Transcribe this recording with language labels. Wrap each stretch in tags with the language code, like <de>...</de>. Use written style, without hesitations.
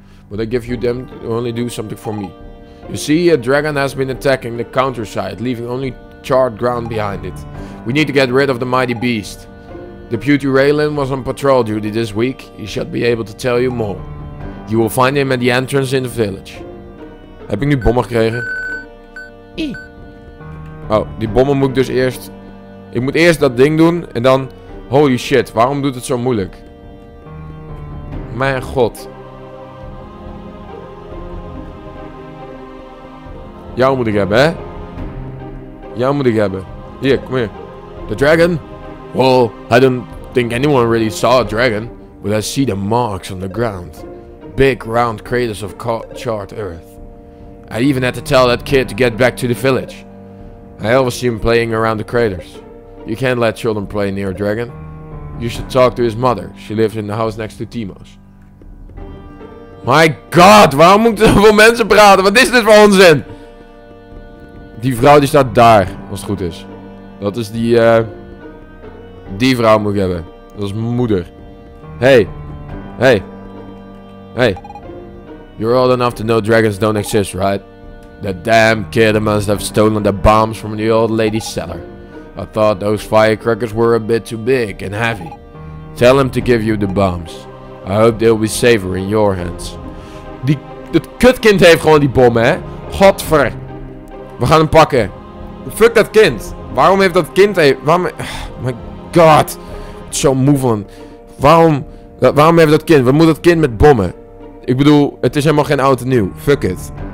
<en>But I give you them to only do something for me. You see, a dragon has been attacking the countryside, leaving only charred ground behind it. We need to get rid of the mighty beast. The beauty Raylan was on patrol duty this week. He should be able to tell you more. You will find him at the entrance in the village.</en> <nl>Heb ik nu bommen gekregen? Oh, die bommen moet ik dus eerst... Ik moet eerst dat ding doen en dan... Holy shit, waarom doet het zo moeilijk? Mijn god. Jou moet ik hebben, hè? Jou moet ik hebben. Hier, kom hier.</nl> <en>The dragon? Well, I don't think anyone really saw a dragon. But I see the marks on the ground. Big round craters of charred earth. I even had to tell that kid to get back to the village. I always see him playing around the craters. You can't let children play near a dragon. You should talk to his mother. She lives in the house next to Timo's.</en> <nl>My god, waarom moet ik zoveel mensen praten? Wat is dit voor onzin? Die vrouw die staat daar, als het goed is. Dat is die, die vrouw moet ik hebben. Dat is mijn moeder.</nl> <en>Hey. You're old enough to know dragons don't exist, right? That damn kid must have stolen the bombs from the old lady's cellar. I thought those firecrackers were a bit too big and heavy. Tell him to give you the bombs. I hope they'll be safer in your hands.</en> <nl>Dat kutkind heeft gewoon die bommen, hè? Godver. We gaan hem pakken. Fuck dat kind. Waarom heeft dat kind... my god. Zo moe van. Waarom heeft dat kind... Wat moet dat kind met bommen? Ik bedoel, het is helemaal geen oud en nieuw. Fuck it.</nl>